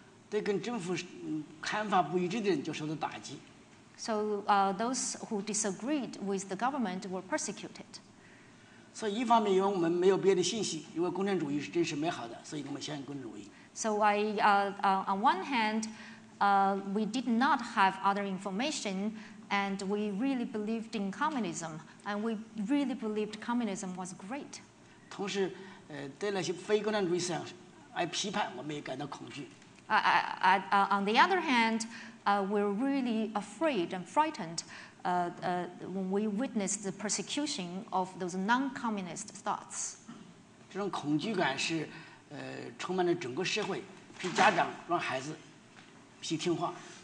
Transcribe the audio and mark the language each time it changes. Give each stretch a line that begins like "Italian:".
Chinese: 对跟政府看法不一致的人就受到打击。
English: So those who disagreed with the government were persecuted.
Chinese: 所以一方面因为我们没有别的信息，因为共产主义是真是美好的，所以我们相信共产主义。
English: So I on one hand, we did not have other information. And we really believed in communism, and we really believed communism was great.
Chinese: 同时，对那些非共产主义思想爱批判，我们也感到恐惧。
English: On the other hand, we're really afraid and frightened when we witnessed the persecution of those non-communist thoughts.
Chinese: 这种恐惧感是，充满了整个社会，是家长让孩子必须听话。